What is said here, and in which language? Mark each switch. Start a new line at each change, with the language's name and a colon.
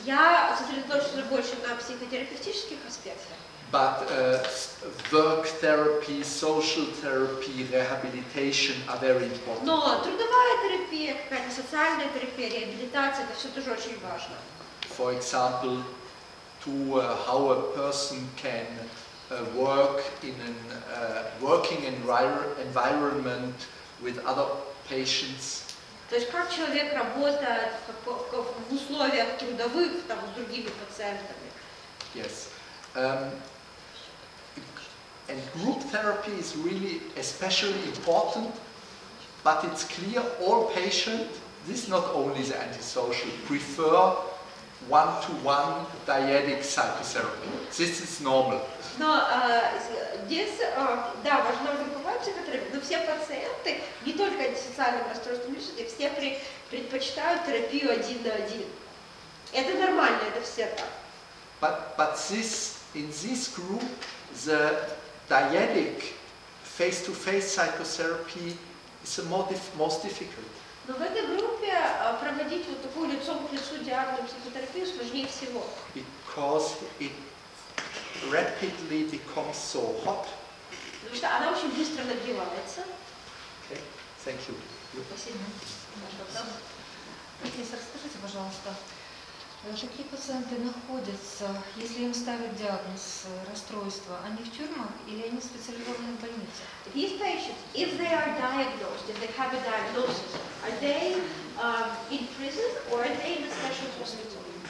Russian: Я сосредоточился больше на психотерапевтических аспектах.
English: But work therapy, social therapy, rehabilitation are very important.
Russian: Но трудовая терапия, какая-то социальная терапия, реабилитация, это все тоже очень важно.
English: For example, to how a person can work in a working environment with other patients.
Russian: То есть как человек работает в условиях трудовых там с другими пациентами?
English: Yes. And group therapy is really especially important, but it's clear all patients, this not only the antisocial, prefer one-to-one dyadic psychotherapy. This is normal.
Russian: Но здесь, да, важна групповая психотерапия, но все пациенты, не только антисоциальные расстройства личности, все предпочитают терапию один на один. Это нормально, это все так.
English: But this, in this group, the dyadic face-to-face psychotherapy is the most difficult.
Russian: Но в этой группе проводить вот такую лицом к лицу диагностику психотерапию сложнее всего.
English: Because it rapidly becomes so hot.
Russian: Потому что она очень быстро нагревается.
English: Okay, thank you.
Russian: Спасибо. Профессор, скажите, пожалуйста, какие пациенты находятся, если им ставят диагноз расстройства, они в тюрьмах или они в специализированной больнице?
English: These patients, if they are diagnosed, if they have a diagnosis, are they in prison or are they in a special hospital?